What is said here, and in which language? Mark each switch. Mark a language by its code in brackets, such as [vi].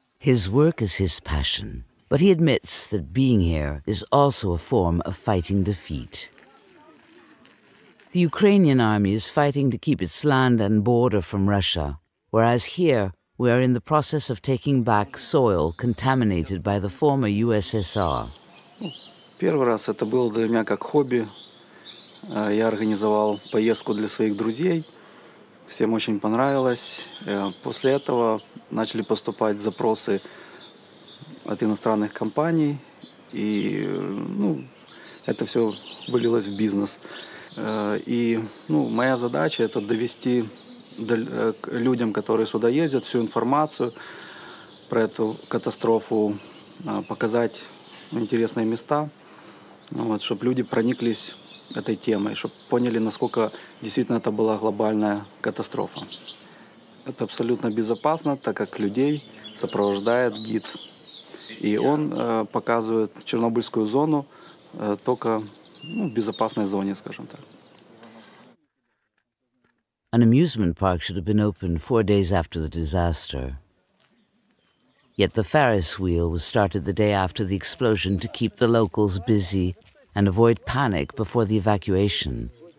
[en] His work is his passion, but he admits that being here is also a form of fighting defeat. The Ukrainian army is fighting to keep its land and border from Russia, whereas here we are in the process of taking back soil contaminated by the former USSR. [ru] Первый раз это было для меня как хобби. Я организовал поездку для своих друзей. Всем очень понравилось. После этого начали поступать запросы от иностранных компаний. И ну, это все вылилось в бизнес. И ну, моя задача – это довести к людям, которые сюда ездят, всю информацию про эту катастрофу, показать интересные места, вот, чтобы люди прониклись этой темой, чтобы поняли, насколько действительно это была глобальная катастрофа. Это абсолютно безопасно, так как людей сопровождает гид. И он показывает Чернобыльскую зону только ну, в безопасной зоне, скажем так. [en] An amusement park should have been opened 4 days after the disaster. Yet the Ferris wheel was started the day after the explosion to keep the locals busy and avoid panic before the evacuation.